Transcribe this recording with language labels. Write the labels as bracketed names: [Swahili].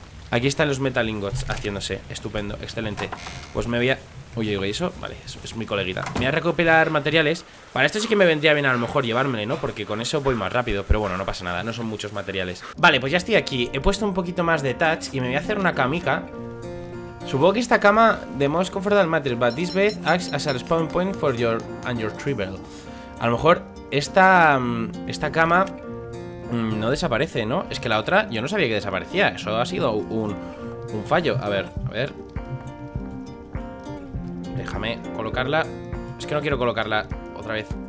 [Spanish] Aquí están los metal ingots haciéndose. Estupendo, excelente. Pues me voy a... Uy, ¿y eso? Vale, eso es mi coleguita. Me voy a recopilar materiales. Para esto sí que me vendría bien a lo mejor llevármelo, ¿no? Porque con eso voy más rápido. Pero bueno, no pasa nada, no son muchos materiales. Vale, pues ya estoy aquí. He puesto un poquito más de touch y me voy a hacer una camica. Supongo que esta cama de [English] most comfortable mattress, but this bed acts as a spawn point for your and your tribal. [Spanish] A lo mejor esta cama no desaparece, ¿no? Es que la otra yo no sabía que desaparecía. Eso ha sido un fallo. A ver. Déjame colocarla. Es que no quiero colocarla otra vez.